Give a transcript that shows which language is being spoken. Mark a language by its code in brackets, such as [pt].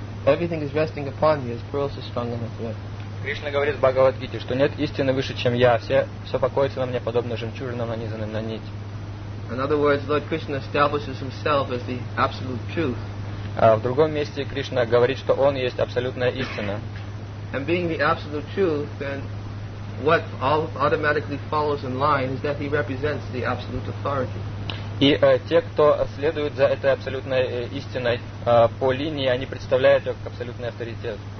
[en] Everything is resting upon me as pearls are strung on a thread. [ru] Кришна говорит в Бхагавад-гите, что нет истины выше, чем я. Все покоится на мне, подобно жемчужинам, нанизанным на нить. [en] In other words, Lord Krishna establishes himself as the absolute truth. [ru] А в другом месте Кришна говорит, что он есть абсолютная истина. [en] And being the absolute truth, then what all automatically follows in line is that he represents the absolute authority. [ru] И те, кто следует за этой абсолютной истиной по линии, они представляют ее как абсолютный авторитет.